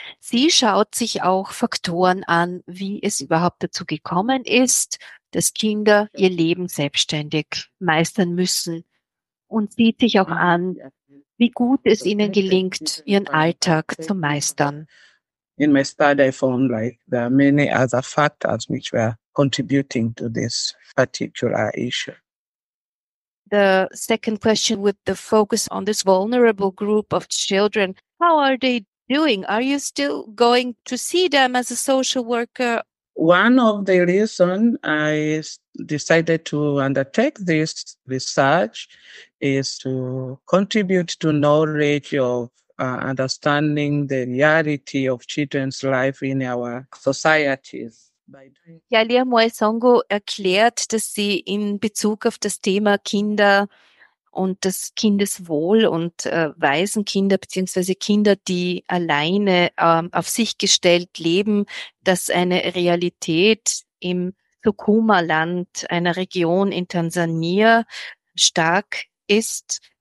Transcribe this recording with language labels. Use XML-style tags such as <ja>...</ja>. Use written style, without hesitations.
<de>Sie schaut sich auch Faktoren an, wie es überhaupt dazu gekommen ist, dass Kinder ihr Leben selbstständig meistern müssen, und sieht sich auch an, wie gut es ihnen gelingt, ihren Alltag zu meistern.</de> <en>In my study, I found like there are many other factors which were contributing to this particular issue. The second question, with the focus on this vulnerable group of children, how are they doing? Are you still going to see them as a social worker? One of the reasons I decided to undertake this research is to contribute to knowledge of understanding the reality of children's life in our societies.</en> <de>Yalia Moesongo erklärt, dass sie in Bezug auf das Thema Kinder und das Kindeswohl und Waisenkinder bzw. Kinder, die alleine auf sich gestellt leben, dass eine Realität im Sukuma-Land, einer Region in Tansania, stark ist.</de>